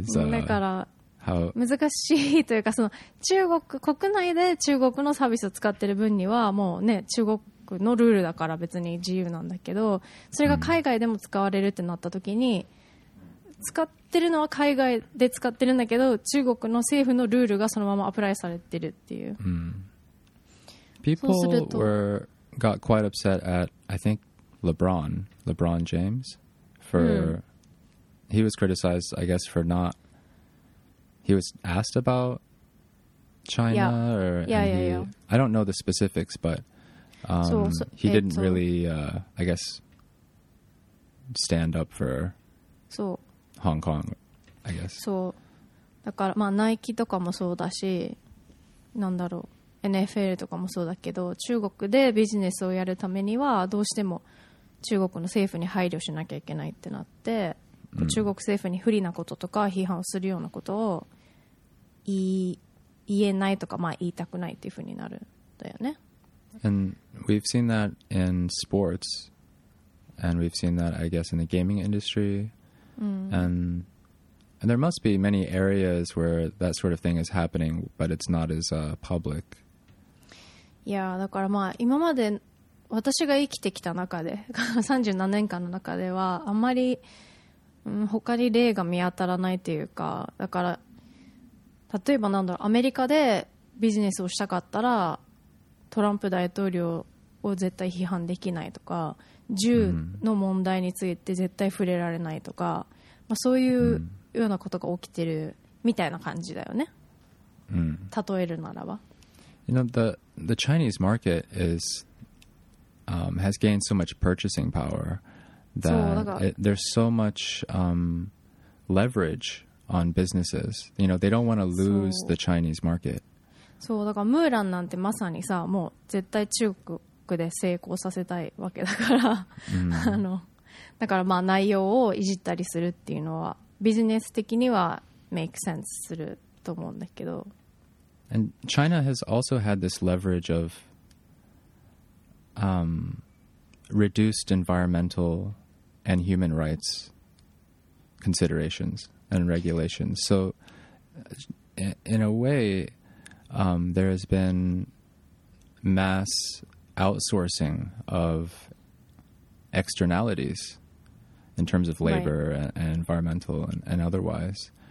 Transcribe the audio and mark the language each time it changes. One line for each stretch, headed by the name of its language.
Japanese: だから難しいというか、その中国国内で中国のサービスを使ってる分にはもうね、中国のルールだから別に自由なんだけど、それが海外でも使われるってなった時に、使ってるのは海外で使ってるんだけど中国の政府のルールがそのままアプライされてるっていう。
English: People were got quite upset at I think LeBron James for、He was criticized, I guess, for not... He was asked about China or... I don't know the specifics, but he didn't really, I guess, stand up for Hong Kong, I guess.
Japanese: そう。だから、まあ、ナイキとかもそうだし、なんだろう、NFL とかもそうだけど、中国でビジネスをやるためにはどうしても中国の政府に配慮しなきゃいけないってなって、中国政府に不利なこととか批判をするようなことを 言えないとか、まあ、言いたくないっていうふうになるんだよね。
English: And we've seen that in sports, and we've seen that I guess in the gaming industry, and there must be many areas where that sort of thing is happening, but it's not as public.
Japanese: いや、だからまあ今まで私が生きてきた中で37年間の中ではあんまり他に例が見当たらないというか、だから例えばなんだろう、アメリカでビジネスをしたかったらトランプ大統領を絶対批判できないとか、銃の問題について絶対触れられないとか、まあ、そういうようなことが起きてるみたいな感じだよね、例えるならば。
English: You know, the Chinese market is, has gained so much purchasing powerThat it, there's so much leverage on businesses. You know, they don't want to lose the Chinese market.
Japanese: そう、だからムーランなんてまさにさ、もう絶対中国で成功させたいわけだから、あの、だからまあ内容をいじったりするっていうのはビジネス的にはメイクセンスすると思うんだけど。
English: And China has also had this leverage of reduced environmental and human rights considerations and regulations. So in a way, there has been mass outsourcing of externalities in terms of labor and environmental and otherwise.